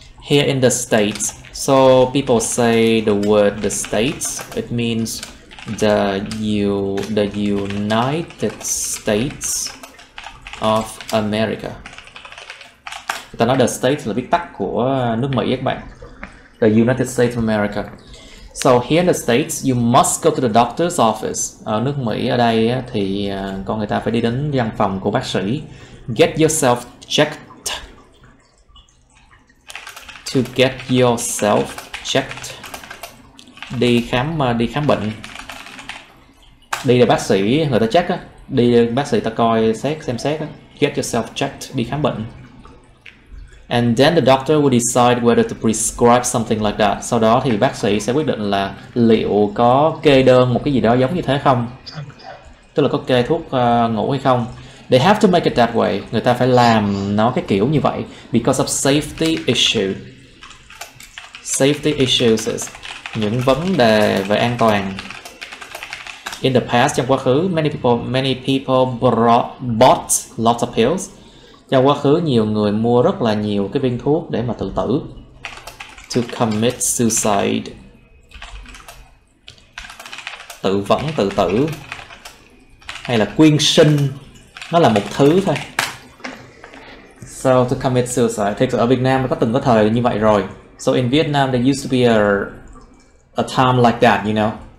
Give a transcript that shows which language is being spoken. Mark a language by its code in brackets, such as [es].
[en] Here in the States. So people say the word the States. It means the United States of America. [vi] Người ta nói the States là viết tắt của nước Mỹ các bạn. [en] The United States of America. So here in the States, you must go to the doctor's office. [vi] Ở nước Mỹ ở đây thì con người ta phải đi đến văn phòng của bác sĩ. [en] Get yourself checked. to get yourself checked. [vi] Đi khám bệnh. Đi là bác sĩ người ta check á, đi bác sĩ ta coi xét xem xét á. [en] Get yourself checked, [vi] đi khám bệnh. [en] And then the doctor will decide whether to prescribe something like that. [vi] Sau đó thì bác sĩ sẽ quyết định là liệu có kê đơn một cái gì đó giống như thế không. Tức là có kê thuốc ngủ hay không. [en] They have to make it that way. [vi] Người ta phải làm nó cái kiểu như vậy. [en] Because of safety issue. Safety issues is [vi] những vấn đề về an toàn. [en] In the past, [vi] trong quá khứ, [en] many people bought lots of pills. [vi] Trong quá khứ, nhiều người mua rất là nhiều cái viên thuốc để mà tự tử. [en] To commit suicide. [vi] Tự vẫn, tự tử. Hay là quyên sinh. Nó là một thứ thôi. [en] So to commit suicide. [vi] Thì ở Việt Nam nó có từng có thời như vậy rồi. [en] So in Vietnam there used to be a time like that, you know.